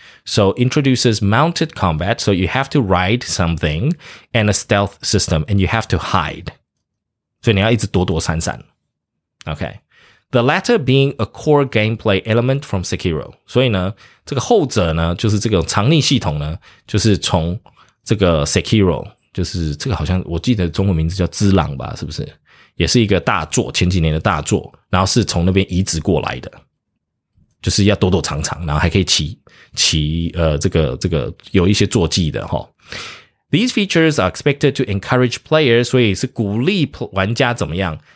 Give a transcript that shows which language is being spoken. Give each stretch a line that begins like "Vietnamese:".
English: So introduces mounted combat, so you have to ride something and a stealth system and you have to hide,
Chinese: 所以你要一直躲躲闪闪。
English: OKThe latter being a core gameplay element from Sekiro.
Chinese: 所以呢，这个后者呢，就是这个藏匿系统呢，就是从这个 Sekiro， 就是这个好像我记得中文名字叫《只狼》吧，是不是？也是一个大作，前几年的大作，然后是从那边移植过来的，就是要躲躲藏藏，然后还可以骑这个有一些坐骑的齁。
English: These features are expected to encourage players,
Chinese: 所以是鼓励玩家怎么样？